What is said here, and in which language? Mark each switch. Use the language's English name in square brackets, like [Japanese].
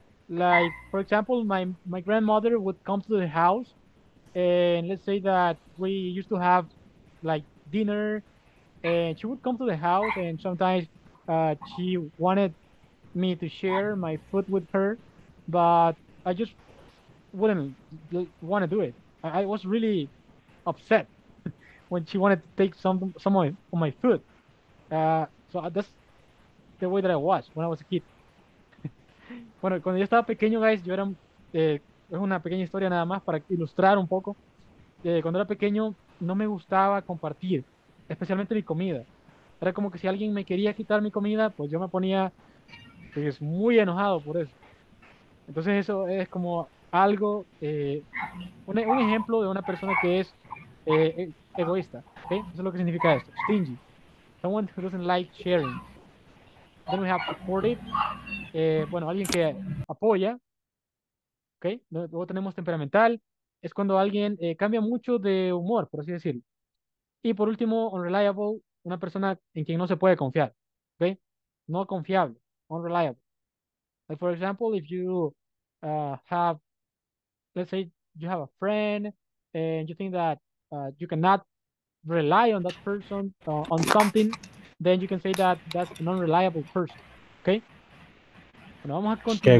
[English] Like, for example, my grandmother would come to the house, and let's say that we used to have like dinner, and she would come to the house, and sometimes she wanted me to share my food with her, but I just wouldn't want to do it. I was really upset when she wanted to take some of my food. So that's the way that I was when I was a kid. [Spanish] Bueno, cuando yo estaba pequeño, guys, yo era, es una pequeña historia nada más para ilustrar un poco. Cuando era pequeño, no me gustaba compartir, especialmente mi comida. Era como que si alguien me quería quitar mi comida, pues yo me ponía, pues, muy enojado por eso. Entonces eso es como algo, un ejemplo de una persona que es egoísta. [English] ¿Okay? [Spanish] Eso es lo que significa esto, [English] stingy. Someone who doesn't like sharing. Then we have supportive. [Spanish] Bueno, alguien que apoya. Okay. Luego tenemos temperamental. Es cuando alguien cambia mucho de humor, por así decirlo. Y por último, unreliable. Una persona en quien no se puede confiar. Okay. No confiable. Unreliable. [English] Like, for example, if you have, let's say you have a friend and you think that you cannot rely on that person on something, then you can say that that's an unreliable person. [Spanish] Okay? Bueno, vamos a continuar.